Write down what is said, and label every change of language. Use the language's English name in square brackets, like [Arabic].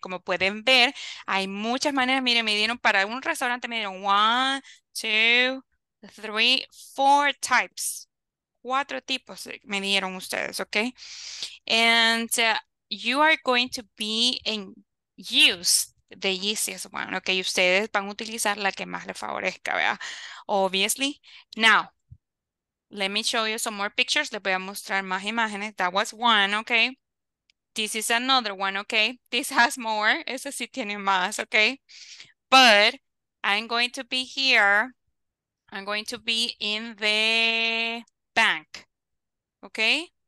[Spanish] Como pueden ver, hay muchas maneras. Miren, me dieron para un restaurante, me dieron 1, 2, 3, 4 types. 4 tipos me dieron ustedes, okay? [English] And you are going to be in use the easiest one, okay? [Spanish] Ustedes van a utilizar la que más les favorezca, ¿verdad? [English] Obviously. Now, let me show you some more pictures. Les voy a mostrar más imágenes. That was one, okay? This is another one, okay? This has more. Ese sí tiene más, okay? But I'm going to be here. I'm going to be in the bank, okay?